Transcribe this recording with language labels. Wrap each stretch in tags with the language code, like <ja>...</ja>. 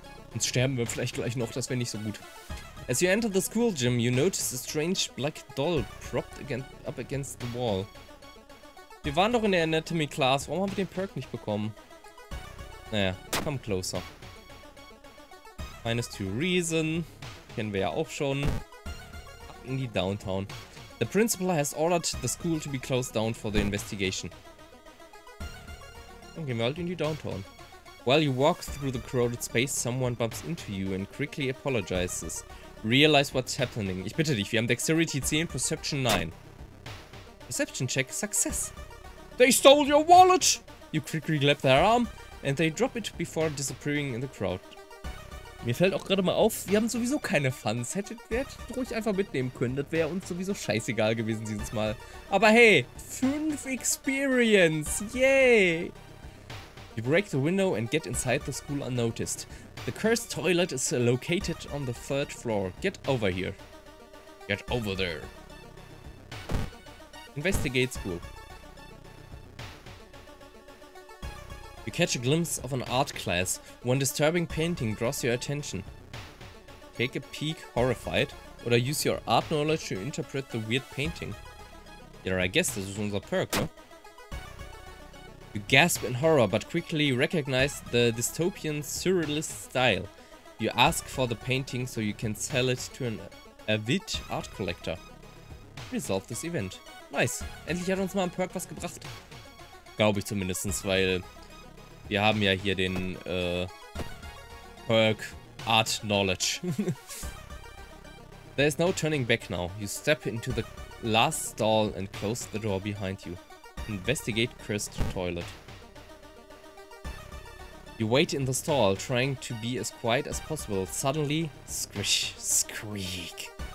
<de>Sonst sterben wir vielleicht gleich noch, das wäre nicht so gut.</de> <en>As you enter the school gym, you notice a strange black doll propped up against the wall.</en> <de>Wir waren doch in der Anatomy Class, warum haben wir den Perk nicht bekommen? Naja, komm closer. Minus 2 Reason. Kennen wir ja auch schon. Ab in die Downtown.</de> <en>The principal has ordered the school to be closed down for the investigation.</en> <de>Dann gehen wir halt in die Downtown.</de> <en>While you walk through the crowded space, someone bumps into you and quickly apologizes. Realize what's happening.</en> <de>Ich bitte dich, wir haben Dexterity 10, Perception 9.</de> <en>Perception check, success. They stole your wallet! You quickly grab their arm and they drop it before disappearing in the crowd.</en> <de>Mir fällt auch gerade mal auf, wir haben sowieso keine Funds. Hättet ihr ruhig einfach mitnehmen können. Das wäre uns sowieso scheißegal gewesen dieses Mal. Aber hey, 5 Experience. Yay.</de> <en>You break the window and get inside the school unnoticed. The cursed toilet is located on the 3rd floor. Get over here. Get over there. Investigate school. You catch a glimpse of an art class. One disturbing painting draws your attention. Take a peek, horrified, or use your art knowledge to interpret the weird painting. Yeah, I guess this is</en> <de>unser</de> <en>perk, no? You gasp in horror, but quickly recognize the dystopian surrealist style. You ask for the painting so you can sell it to an avid art collector. Resolve this event. Nice.</en> <de>Endlich hat uns mal ein Perk was gebracht. Glaube ich zumindest, weil wir haben ja hier den Perk Art Knowledge.</de> <en>There is no turning back now. You step into the last stall and close the door behind you. Investigate cursed toilet. You wait in the stall, trying to be as quiet as possible. Suddenly, squish, squeak.</en>